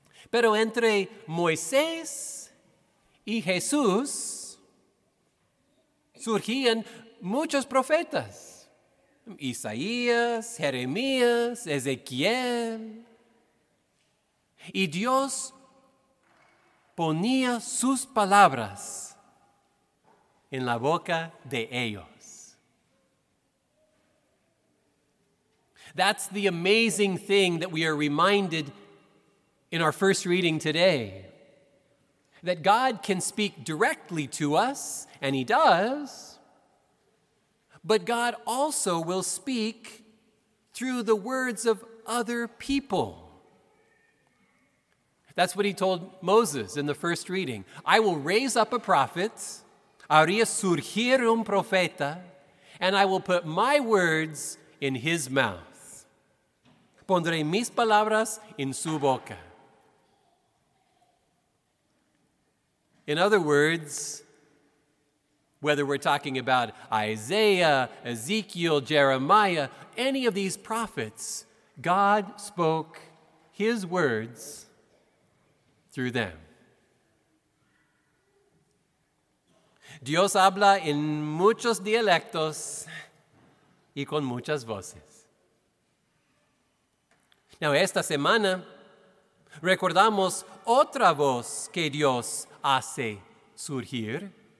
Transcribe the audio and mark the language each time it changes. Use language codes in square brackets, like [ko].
[es] Pero entre Moisés y Jesús surgían muchos profetas: Isaías, Jeremías, Ezequiel. Y Dios ponía sus palabras en la boca de ellos. [en] That's the amazing thing that we are reminded in our first reading today. That God can speak directly to us, and He does, but God also will speak through the words of other people. That's what He told Moses in the first reading. I will raise up a prophet, [es] haría surgir un profeta, [en] and I will put my words in his mouth. [es] Pondré mis palabras en su boca. [en] In other words, whether we're talking about Isaiah, Ezekiel, Jeremiah, any of these prophets, God spoke His words through them. [es] Dios habla en muchos dialectos y con muchas voces. [en] Now, [es] esta semana recordamos otra voz que Dios hace surgir.